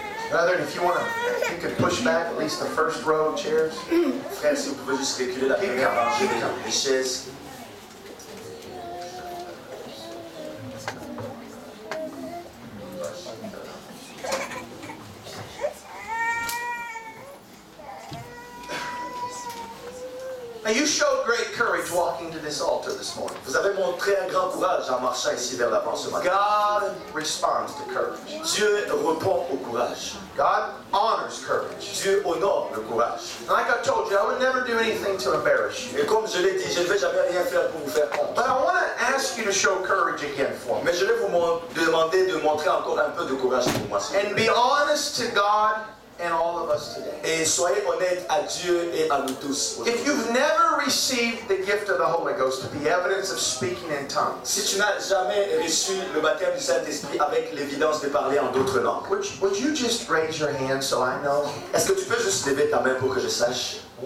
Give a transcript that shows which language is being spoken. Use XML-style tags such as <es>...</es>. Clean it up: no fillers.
<en>Brother, if you want to, you can push back at least the first row of chairs.</en> <fr>Frère, si vous pouvez juste reculer la première rangée des chaises.</fr> <en>Now you showed great courage walking to this altar this morning.</en> <fr>Vous avez montré un grand courage en marchant ici vers l'avant ce matin.</fr> <en>God responds to courage.</en> <fr>Dieu répond au courage.</fr> <en>God honors courage.</en> <fr>Dieu honore le courage.</fr> <en>And like I told you, I would never do anything to embarrass you.</en> <fr>Et comme je l'ai dit, je ne vais jamais rien faire pour vous faire honte.</fr> <en>But I want to ask you to show courage again for me.</en> <fr>Mais je vais vous demander de montrer encore un peu de courage pour moi.</fr> <en>And be honest to God. And all of us today.</en> <fr>Et soyez honnêtes à Dieu et à nous tous.</fr> <en>If you've never received the gift of the Holy Ghost, the evidence of speaking in tongues,</en> <fr>si tu n'as jamais reçu le baptême du Saint-Esprit avec l'évidence de parler en d'autres langues,</fr> <en>would you just raise your hand so I know?</en> <fr>Est-ce que tu peux juste lever ta main pour que je sache?</fr>